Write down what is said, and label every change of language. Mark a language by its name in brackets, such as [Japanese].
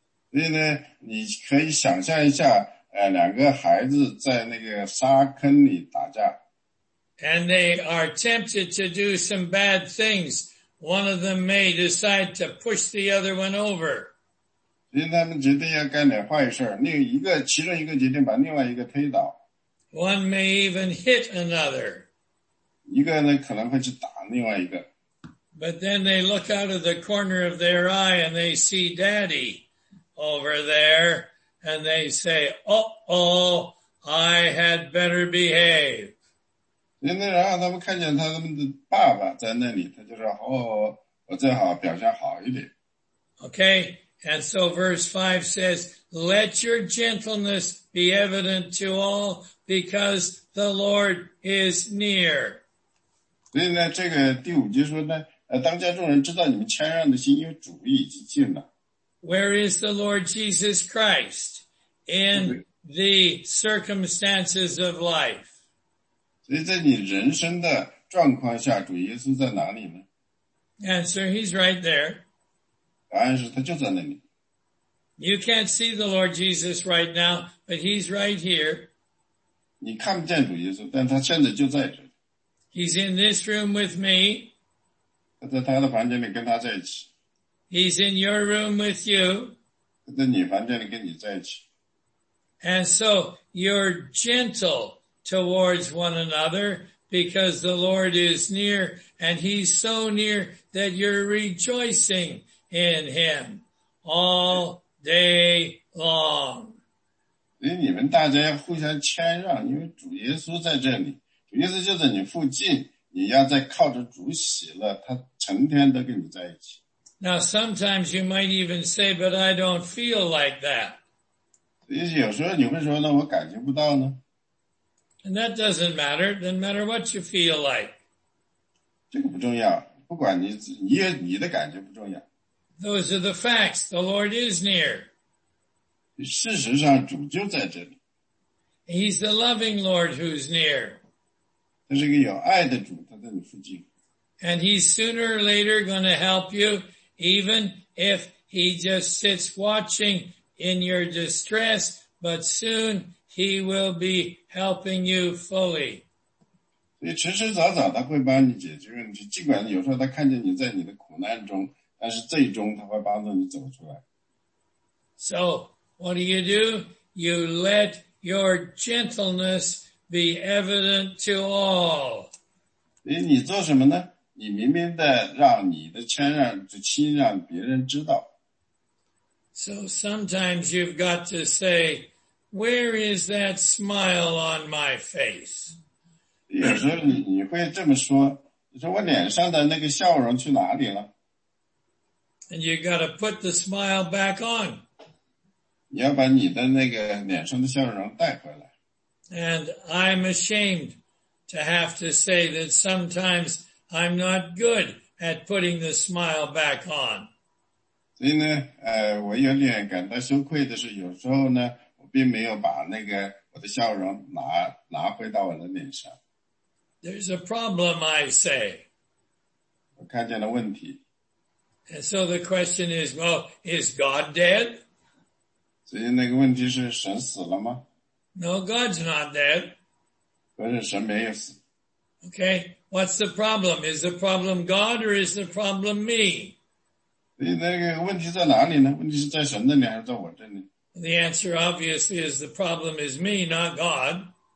[Chinese] 所以呢你可以想象一下两个孩子在那个沙坑里打架。 [English] And they are tempted to do some bad things. One of them may decide to push the other one over. [Chinese] 因为他们决定要干点坏事另一个其中一个决定把另外一个推倒。 [English] One may even hit another. [Chinese] 一个呢可能会去打另外一个。 [English] But then they look out of the corner of their eye and they see daddy over there and they say, Uh-oh, I had better behave. [Chinese] 因为然后他们看见他们的爸爸在那里他就说哦我最好表现好一点。 [English] Okay. And so verse 5 says, let your gentleness be evident to all because the Lord is near. [Chinese] 所以呢这个第五节说呢当家众人知道你们谦让的心因为主已经近了。 [English] Where is the Lord Jesus Christ in the circumstances of life? [Chinese] 所以在你人生的状况下主耶稣在哪里呢 [English] Answer, he's right there. [Chinese] 答案是他就在那里。 [English] You can't see the Lord Jesus right now, but he's right here. [Chinese] 你看不见主耶稣，但他现在就在这里。 [English] He's in this room with me. [Chinese] 他在他的房间里跟他在一起。 [English] He's in your room with you. [Chinese] 他在你房间里跟你在一起。 [English] And so, you're gentle towards one another. Because the Lord is near, and he's so near that you're rejoicing in him all day long. [Chinese] 所以你们大家要互相谦让，因为主耶稣在这里，主耶稣就在你附近，你要再靠着主喜乐，他成天都跟你在一起。 [English] Now sometimes you might even say, but I don't feel like that. [Chinese] 所以有时候你会说，那我感觉不到呢。 [English] And that doesn't matter what you feel like. [Chinese] 这个不重要不管你的感觉不重要。 [English] Those are the facts. The Lord is near. [Chinese] 事实上主就在这里。 [English] He's the loving Lord who's near. [Chinese] 他是一个有爱的主他在你附近。 [English] And he's sooner or later going to help you even if he just sits watching in your distress, but soon,He will be helping you fully. [Chinese] 所以迟迟早早他会帮你解决问题尽管有时候他看见你在你的苦难中但是最终他会帮助你走出来。 [English] So, what do? You let your gentleness be evident to all. [Chinese] 所以你做什么呢你明明的让你的谦让就亲让别人知道。 [English] So, sometimes you've got to say,Where is that smile on my face? [Chinese] 有时候你会这么说，你说我脸上的那个笑容去哪里了？ [English] And you gotta put the smile back on. [Chinese] 你要把你的那个脸上的笑容带回来。 [English] And I'm ashamed to have to say that sometimes I'm not good at putting the smile back on. [Chinese] 所以呢，我有点感到羞愧的是，有时候呢并没有把那个我的笑容拿回到我的脸上。 [English] There's a problem, I say. [Chinese] 我看见了问题。 [English] And so the question is, well, is God dead? [Chinese] 所以那个问题是神死了吗 [English] ？No, God's not dead. [Chinese] 不是神没有死。 [English] Okay, what's the problem? Is the problem God or is the problem me? [Chinese] 所以那个问题在哪里呢？问题是在神那里还是在我这里？ [English] The answer obviously is the problem is me, not God.